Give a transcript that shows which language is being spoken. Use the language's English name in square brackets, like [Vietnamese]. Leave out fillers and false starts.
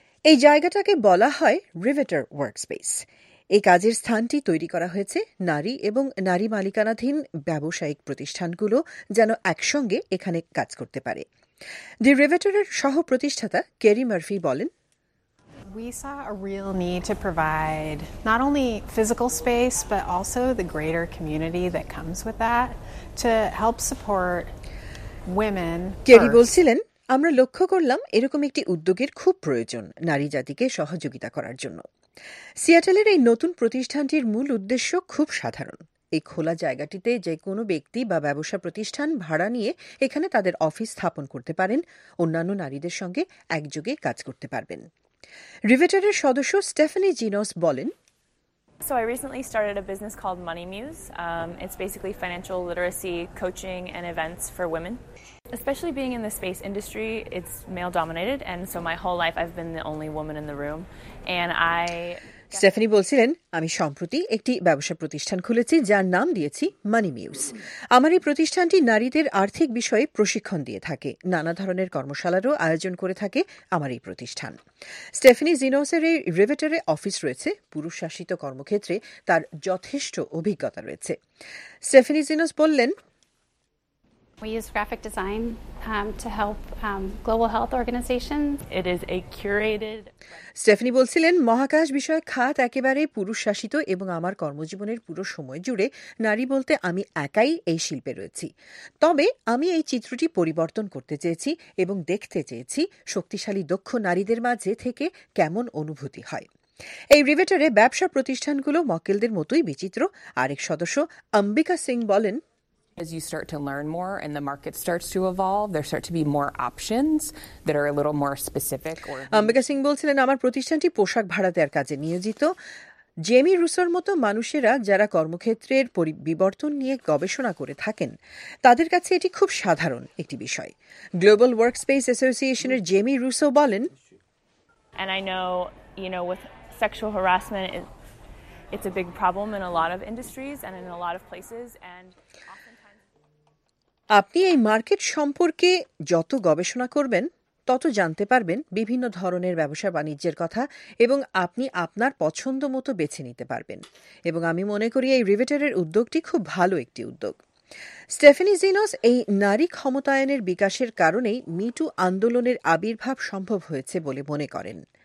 [Bangla] এই জায়গাটাকে বলা হয় রিভেটার ওয়ার্কস্পেস। এই কাজের স্থানটি তৈরি করা হয়েছে নারী এবং নারী মালিকানাধীন ব্যবসায়িক প্রতিষ্ঠানগুলো যেন একসঙ্গে এখানে কাজ করতে পারে। দি রিভেটারের সহ প্রতিষ্ঠাতা কেরি মার্ফি বলেন, [English] We saw a real need to provide not only physical space but also the greater community that comes with that to help support women. [Bangla] Kerry বলছিলেন, আমরা লক্ষ্য করলাম এরকম একটি উদ্যোগের খুব প্রয়োজন নারী জাতিকে সহযোগিতা করার জন্য। সিয়াটলের এই নতুন প্রতিষ্ঠানটির মূল উদ্দেশ্য খুব সাধারণ। এই খোলা জায়গাটিতে যে কোনো ব্যক্তি বা ব্যবসা প্রতিষ্ঠান ভাড়া নিয়ে এখানে তাদের অফিস স্থাপন করতে পারেন, অন্যান্য নারীদের সঙ্গে একযোগে কাজ করতে পারবেন। রিভেটারের সদস্য স্টেফানি জিনোস বলেন, [English] So I recently started a business called Money Muse. It's basically financial literacy coaching and events for women. Especially being in the space industry, it's male dominated and so my whole life I've been the only woman in the room and I [Bangla] Stephanie বলছিলেন, আমি সম্প্রতি একটি ব্যবসা প্রতিষ্ঠান খুলেছি যার নাম দিয়েছি মানি মিউজ। আমার এই প্রতিষ্ঠানটি নারীদের আর্থিক বিষয়ে প্রশিক্ষণ দিয়ে থাকে, নানা ধরনের কর্মশালারও আয়োজন করে থাকে আমার এই প্রতিষ্ঠান। স্টেফানি জিনোসের এই রিভেটারে অফিস রয়েছে, পুরুষ শাসিত কর্মক্ষেত্রে তার যথেষ্ট অভিজ্ঞতা রয়েছে। স্টেফানি জিনোস বললেন, [English] We use graphic design to help global health organizations. It is a curated [Bangla] Stephanie বলছিলেন, মহাকাশ বিষয়ক খাত একেবারে পুরুষ শাসিত এবং আমার কর্মজীবনের পুরো সময় জুড়ে নারী বলতে আমি একাই এই শিল্পে রয়েছি, তবে আমি এই চিত্রটি পরিবর্তন করতে চেয়েছি এবং দেখতে চেয়েছি শক্তিশালী দক্ষ নারীদের মাঝে থেকে কেমন অনুভূতি হয়। এই রিভেটারে ব্যবসা প্রতিষ্ঠানগুলো মক্কেলদের মতোই বিচিত্র। আরেক সদস্য অম্বিকা সিং বলেন, [English] As you start to learn more and the market starts to evolve, there start to be more options that are a little more specific. [Bangla] Ambika Singh বলছিলেন, আমার প্রতিষ্ঠানটি পোশাক ভাড়াতের কাজে নিয়োজিত। জেমি রুসোর মতো মানুষেরা যারা কর্মক্ষেত্রের পরিবর্তন নিয়ে গবেষণা করে থাকেন তাদের কাছে এটি খুব সাধারণ একটি বিষয়। গ্লোবাল ওয়ার্কস্পেস অ্যাসোসিয়েশনের জেমি রুসো বলেন, [English] And I know, you know, with sexual harassment, it's a big problem in a lot of industries and in a lot of places and [Bangla] আপনি এই মার্কেট সম্পর্কে যত গবেষণা করবেন তত জানতে পারবেন বিভিন্ন ধরনের ব্যবসা বাণিজ্যের কথা এবং আপনি আপনার পছন্দ মতো বেছে নিতে পারবেন, এবং আমি মনে করি এই রিভেটারের উদ্যোগটি খুব ভালো একটি উদ্যোগ। স্টেফানি জিনোস এই নারী ক্ষমতায়নের বিকাশের কারণেই মিটু আন্দোলনের আবির্ভাব সম্ভব হয়েছে বলে মনে করেন।